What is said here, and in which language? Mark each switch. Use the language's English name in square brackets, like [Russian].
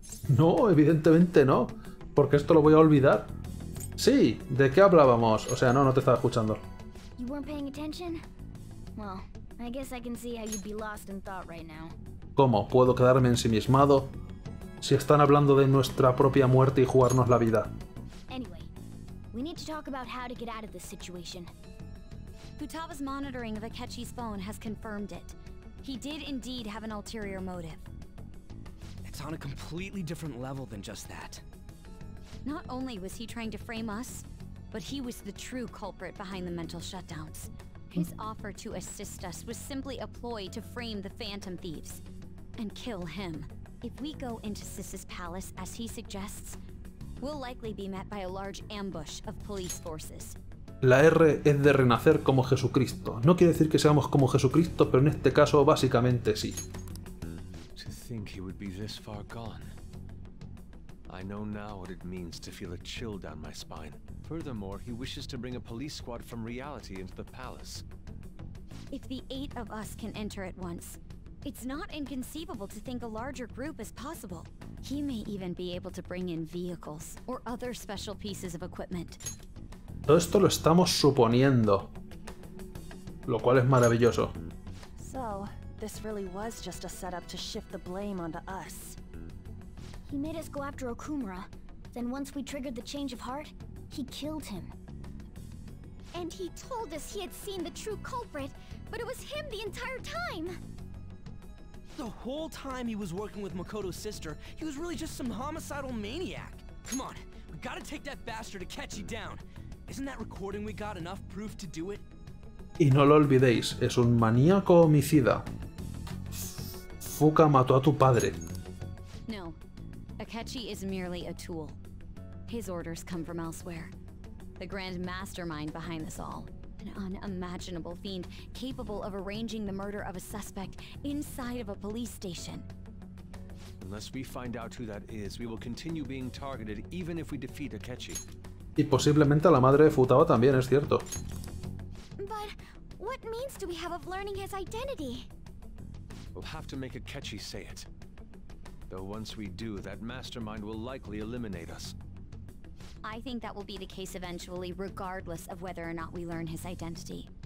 [Spanish] No, evidentemente no. Porque esto lo voy a olvidar. Sí, ¿de qué hablábamos? O sea, no te estaba escuchando. [English] You weren't paying attention? Well, I guess I can see how you'd be lost in thought right now. [Spanish] ¿Cómo puedo quedarme ensimismado si están hablando de nuestra propia muerte y jugarnos la vida? [English] Anyway, we need to talk about how to get out of this situation. Futaba's monitoring of Akechi's phone has confirmed it. He did indeed have an ulterior motive. It's on a completely different level than just that. Not only was he trying to frame us, but he was the true culprit behind the mental shutdowns. His offer to assist us was simply a ploy to frame the Phantom Thieves and kill him. If we go into Sis's palace as he suggests, we'll likely be met by a large ambush of police forces. [Spanish] La R es de renacer como Jesucristo. No quiere decir que seamos como Jesucristo, pero en este caso básicamente sí. [English] To think he would be this far gone. I know now what it means to feel a chill down my spine. Furthermore, he wishes to bring a police squad from reality into the palace. If the eight of us can enter at once, it's not inconceivable to think a larger group is possible. He may even be able to bring in vehicles or other special pieces of equipment. [Spanish] Todo esto lo estamos suponiendo, lo cual es maravilloso. [English] So, this really was just a setup to shift the blame onto us. He made us go after Okumura. Then once we triggered the change of heart, he killed him. And he told us he had seen the true culprit, but it was him the entire time. The whole time he was working with Makoto's sister, he was really just some homicidal maniac. Come on, we gotta take that bastard to catch you down. Isn't that recording we got enough proof to do it? [Spanish] Y no lo olvidéis, es un maníaco homicida. Fuka mató a tu padre. [English] No. Akechi is merely a tool. His orders come from elsewhere. The grand mastermind behind this all. An unimaginable fiend capable of arranging the murder of a suspect inside of a police station. Unless we find out who that is, we will continue being targeted even if we defeat Akechi. [Spanish] Y posiblemente a la madre de Futaba también, es cierto. [English] But what means do we have of learning his identity? We'll have to make Akechi say it. Though once we do, that mastermind will likely eliminate us. I think that will be the case eventually, regardless of whether or not we learn his identity.